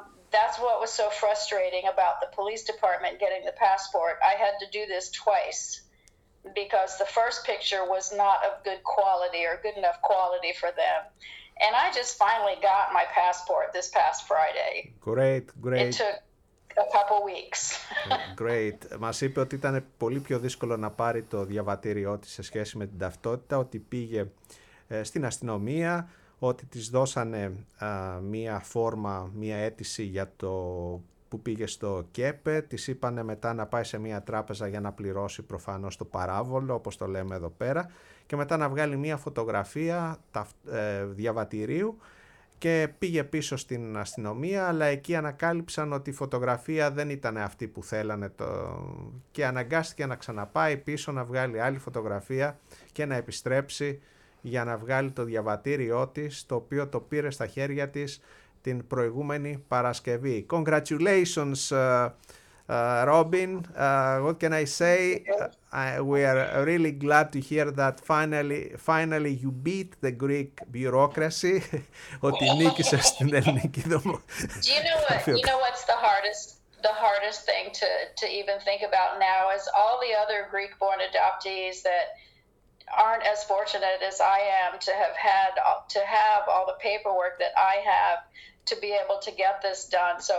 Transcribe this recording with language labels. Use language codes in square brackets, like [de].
[en] That's what was so frustrating about the police department getting the passport. I had to do this twice because the first picture was not of good quality or good enough quality for them. And I just finally got my passport this past Friday. Great, great. It took a couple weeks. Great. [el] Μας είπε ότι ήταν πολύ πιο δύσκολο να πάρει το διαβατήριό της σε σχέση με την ταυτότητα, ότι πήγε στην αστυνομία, ότι της δώσανε μία φόρμα, μία αίτηση για το που πήγε στο ΚΕΠΕ, της είπανε μετά να πάει σε μία τράπεζα για να πληρώσει προφανώς το παράβολο, όπως το λέμε εδώ πέρα, και μετά να βγάλει μία φωτογραφία διαβατηρίου και πήγε πίσω στην αστυνομία, αλλά εκεί ανακάλυψαν ότι η φωτογραφία δεν ήταν αυτή που θέλανε και αναγκάστηκε να ξαναπάει πίσω, να βγάλει άλλη φωτογραφία και να επιστρέψει για να βγάλει το διαβατήριό της, το οποίο το πήρε στα χέρια της την προηγούμενη Παρασκευή. [en] Congratulations, Robin. What can I say? We are really glad to hear that finally you beat the Greek bureaucracy. [el] Ότι νίκησες την ελληνική δομή. [en] You know what's the hardest thing to even think about now is all the other Greek-born adoptees that aren't as fortunate as I am to have all the paperwork that I have to be able to get this done.